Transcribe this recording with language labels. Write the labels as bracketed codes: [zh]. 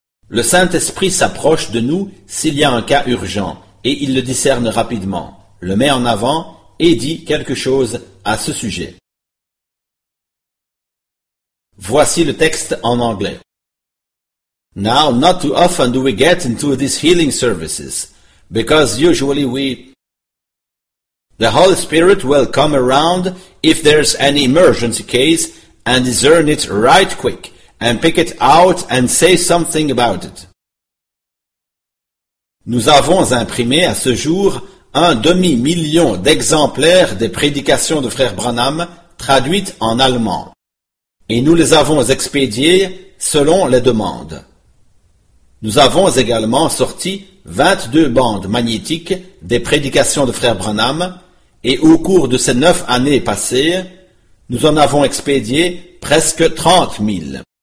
[fr] Le Saint-Esprit s'approche de nous s'il y a un cas urgent et il le discerne rapidement, le met en avant et dit quelque chose à ce sujet. Voici le texte en anglais. [en] Now, not too often do we get into these healing services, because usually we... The Holy Spirit will come around if there's an emergency case and discern it right quick and pick it out and say something about it. [fr] Nous avons imprimé à ce jour 500 000 d'exemplaires des prédications de Frère Branham traduites en allemand. Et nous les avons expédiées selon les demandes. Nous avons également sorti 22 bandes magnétiques des prédications de Frère Branham et au cours de ces 9 années passées, nous en avons expédié presque 30 000.